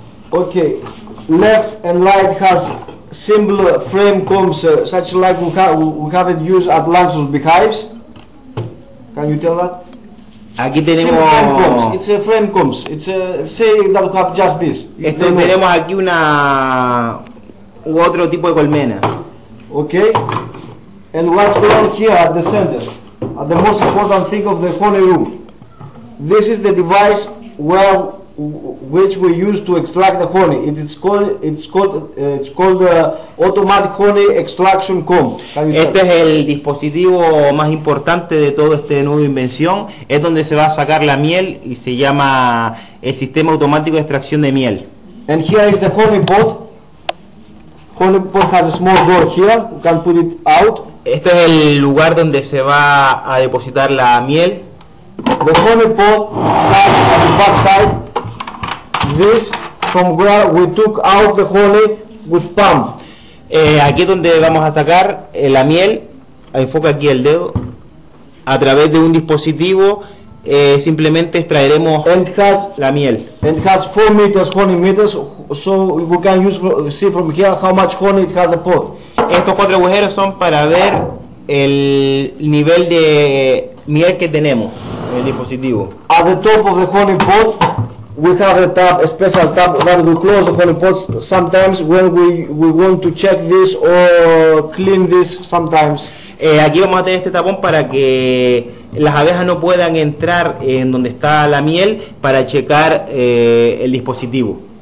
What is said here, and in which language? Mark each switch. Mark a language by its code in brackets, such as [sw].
[en] Okay, left and right has similar frame combs, such like we have it used at Lanxos beehives. Can you tell that? [es] Aquí tenemos [en] similar frame combs. It's a frame combs. It's a say that we have just this. [es] Esto tenemos aquí una u otro tipo de colmena. [en] Okay, and what's going on here at the center, at the most important thing of the honey room. This is the device where which we use to extract the honey. It's called automatic honey extraction comb. [es] Este es el dispositivo más importante de toda esta nueva invención. Es donde se va a sacar la miel y se llama el sistema automático de extracción de miel. [en] And here is the honey pot. Honey pot has a small door here. You can put it out. [es] Este es el lugar donde se va a depositar la miel. [en] The honey pot has on the back side. This from where we took out the honey with pump. [es] Aquí es donde vamos a sacar la miel. Enfoca aquí el dedo. A través de un dispositivo simplemente extraeremos la miel. [en] And it has 4 meters, honey meters, so we can see from here how much honey it has a pot. [es] Estos 4 agujeros son para ver el nivel de miel que tenemos en el dispositivo. [en] At the top of the honey pot, we have a tap, a special tap that we close the honey pot sometimes when we want to check this or clean this sometimes. [es] Aquí vamos a tener este tapón para que las abejas no puedan entrar en donde está la miel para checar el dispositivo.